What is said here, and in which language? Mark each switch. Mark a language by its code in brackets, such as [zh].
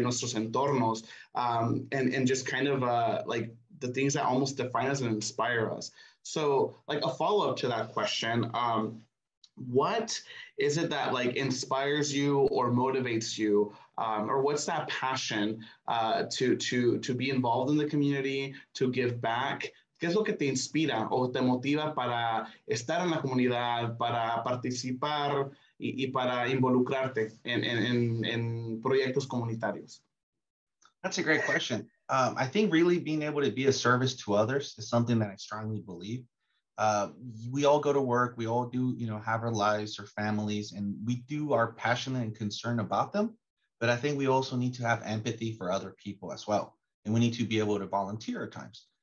[es] Nuestros entornos. [en] And just kind of like the things that almost define us and inspire us. So, like, a follow-up to that question, what is it that, like, inspires you or motivates you, or what's that passion to be involved in the community, to give back? [es] ¿Qué es lo que te inspira o te motiva para estar en la comunidad, para participar y para involucrarte en proyectos comunitarios? [en] That's a great question. I think really being able to be a service to others is something that I strongly believe. We all go to work. We all do, you know, have our lives, our families, and we do our passion and concern about them. But I think we also need to have empathy for other people as well. And we need to be able to volunteer at times.